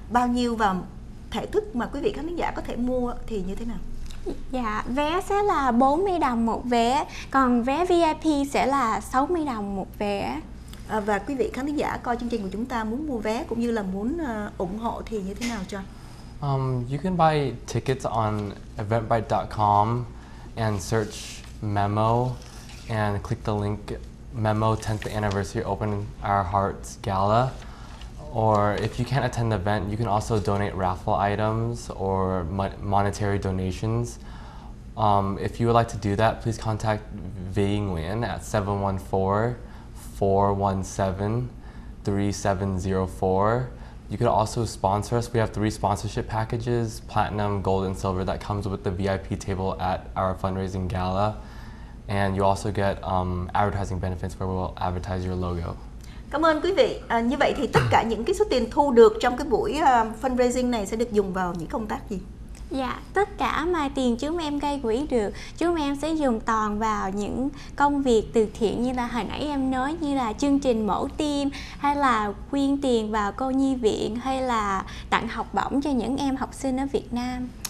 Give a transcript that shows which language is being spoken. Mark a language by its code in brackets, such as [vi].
[vi] Bao nhiêu và thể thức mà quý vị khán giả có thể mua thì như thế nào? Dạ, vé sẽ là 40 đồng một vé, còn vé VIP sẽ là 60 đồng một vé. Và quý vị khán giả coi chương trình của chúng ta muốn mua vé cũng như là muốn ủng hộ thì như thế nào cho? [en] You can buy tickets on eventbrite.com and search MEMO and click the link MEMO 10th Anniversary Open Our Hearts Gala. Or if you can't attend the event, you can also donate raffle items or monetary donations. If you would like to do that, please contact Vy Nguyen at 714-417-3704. You could also sponsor us. We have 3 sponsorship packages, platinum, gold, and silver, that comes with the VIP table at our fundraising gala. And you also get advertising benefits where we will advertise your logo. [vi] Cảm ơn quý vị. Như vậy thì tất cả những cái số tiền thu được trong cái buổi fundraising này sẽ được dùng vào những công tác gì? Dạ, tất cả mà tiền chúng em gây quỹ được, chúng em sẽ dùng toàn vào những công việc từ thiện như là hồi nãy em nói, như là chương trình mổ tim, hay là quyên tiền vào cô nhi viện, hay là tặng học bổng cho những em học sinh ở Việt Nam.